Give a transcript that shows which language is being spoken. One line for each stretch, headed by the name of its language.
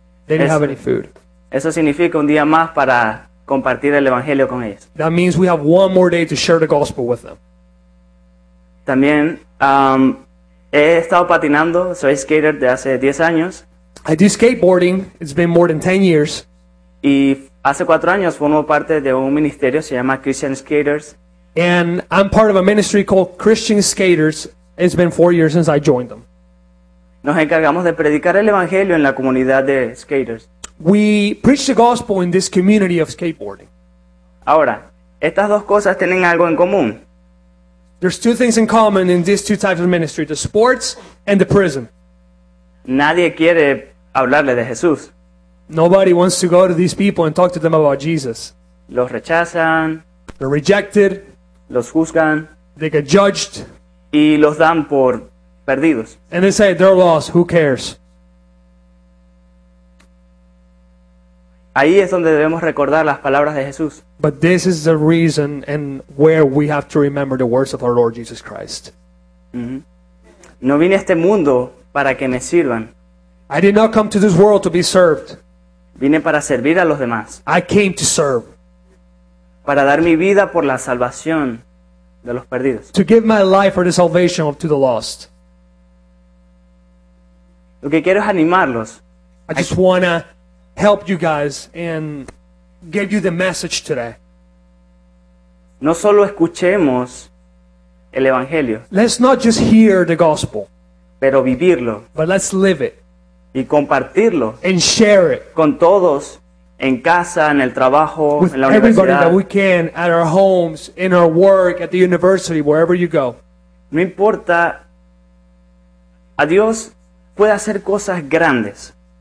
English: They didn't have any food.
Spanish: Eso significa un día más para compartir el evangelio con ellos.
English: That means we have one more day to share the gospel with them.
Spanish: También he estado patinando, soy skater de hace 10 años.
English: I do skateboarding, it's been more than 10 years.
Spanish: Y hace 4 años formo parte de un ministerio, se llama Christian Skaters.
English: And I'm part of a ministry called Christian Skaters. It's been 4 years since I joined them.
Spanish: Nos encargamos de predicar el evangelio en la comunidad de skaters.
English: We preach the gospel in this community of skateboarding.
Spanish: Ahora, estas dos cosas tienen algo en común.
English: There's two things in common in these two types of ministry, the sports and the prison.
Spanish: Nadie quiere hablarle de Jesús.
English: Nobody wants to go to these people and talk to them about Jesus.
Spanish: Los rechazan.
English: They're rejected.
Spanish: Los juzgan.
English: They get judged.
Spanish: Y los dan por perdidos.
English: And they say, they're lost, who cares?
Spanish: Ahí es donde debemos recordar las palabras de Jesús.
English: But this is the reason and where we have to remember the words of our Lord Jesus Christ.
Spanish: Mm-hmm. No vine a este mundo para que me sirvan.
English: I did not come to this world to be served.
Spanish: Vine para servir a los demás.
English: I came to serve.
Spanish: Para dar mi vida por la salvación de los perdidos.
English: To give my life for the salvation of to the lost.
Spanish: Lo que quiero es animarlos.
English: I just want to help you guys and give you the message today.
Spanish: No solo escuchemos el evangelio.
English: Let's not just hear the gospel.
Spanish: Pero vivirlo.
English: But let's live it.
Spanish: Y compartirlo.
English: And share it.
Spanish: Con todos. En casa, en el trabajo,
English: with
Spanish: en la
English: everybody
Spanish: universidad.
English: That we can, at our homes, in our work, at the university, wherever you go.
Spanish: No importa, a Dios puede hacer cosas grandes.